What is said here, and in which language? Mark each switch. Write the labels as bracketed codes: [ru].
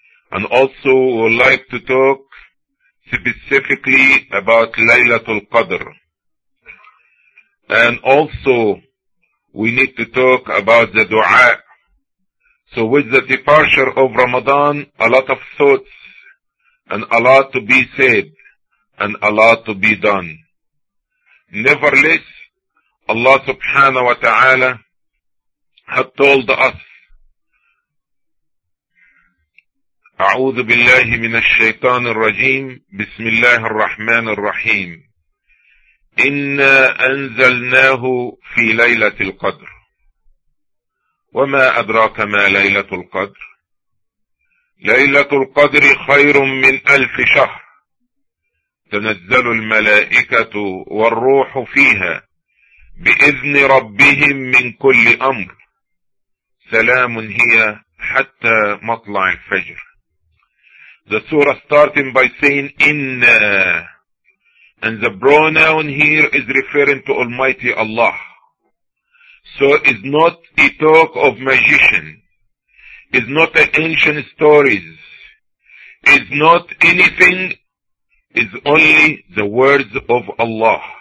[en] And also we'd like to talk specifically about Laylatul Qadr. And also we need to talk about the dua. So with the departure of Ramadan, a lot of thoughts, and a lot to be said, and a lot to be done. Nevertheless, Allah subhanahu wa ta'ala had told us, [ar] أعوذ بالله من الشيطان الرجيم بسم الله الرحمن الرحيم إنا أنزلناه في ليلة القدر وما أدراك ما ليلة القدر ليلة القدر خير من ألف شهر تنزل الملائكة والروح فيها بإذن ربهم من كل أمر سلام هي حتى مطلع الفجر. [en] The surah starting by saying Inna, and the pronoun here is referring to Almighty Allah. So it's not a talk of magician, it's not an ancient stories, it's not anything, it's only the words of Allah.